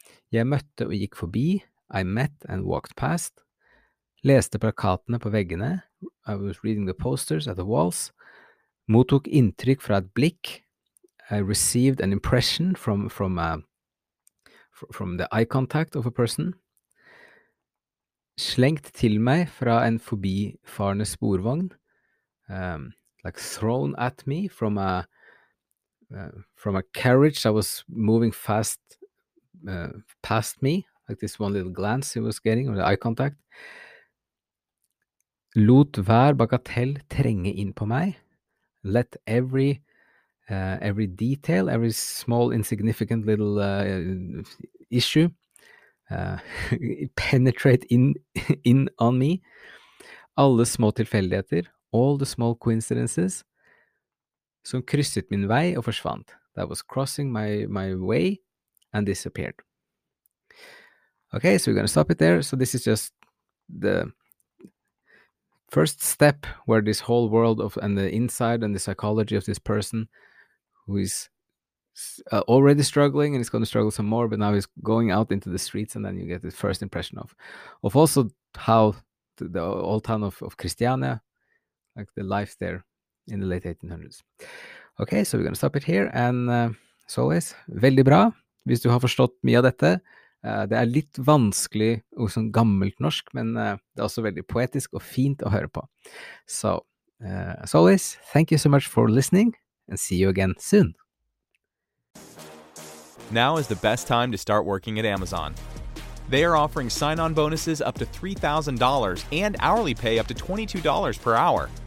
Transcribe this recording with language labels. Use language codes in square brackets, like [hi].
[no] Jeg møtte og gikk forbi, [en] I met and walked past. [no] Leste plakatene på veggene, [en] I was reading the posters at the walls. [no] Mottok inntrykk fra et blikk, [en] I received an impression from the eye contact of a person. [no] Slengt til meg fra en forbifarende sporvogn, [en] like thrown at me from a carriage that was moving fast past me, like this one little glance he was getting or the eye contact. [no] Lot hver bagatell trenge inn på meg. [en] Let every detail, every small insignificant little issue penetrate in on me. [no] Alle små tilfeldigheter. [en] All the small coincidences [no] som krysset min vei og forsvant. [en] That was crossing my way and disappeared. Okay, so we're going to stop it there. So this is just the first step where this whole world of and the inside and the psychology of this person who is already struggling and is going to struggle some more, but now he's going out into the streets, and then you get the first impression of also how the old town of Christiania, like the life there in the late 1800s. Okay, so we're going to stop it here. And as always, [no] veldig bra, hvis du har forstått mye av dette. Det litt vanskelig og sånn gammelt norsk, men det også veldig poetisk og fint å høre på. [en] So, as always, thank you so much for listening, and see you again soon. Now is the best time to start working at Amazon. They are offering sign-on bonuses up to $3,000 and hourly pay up to $22 per hour.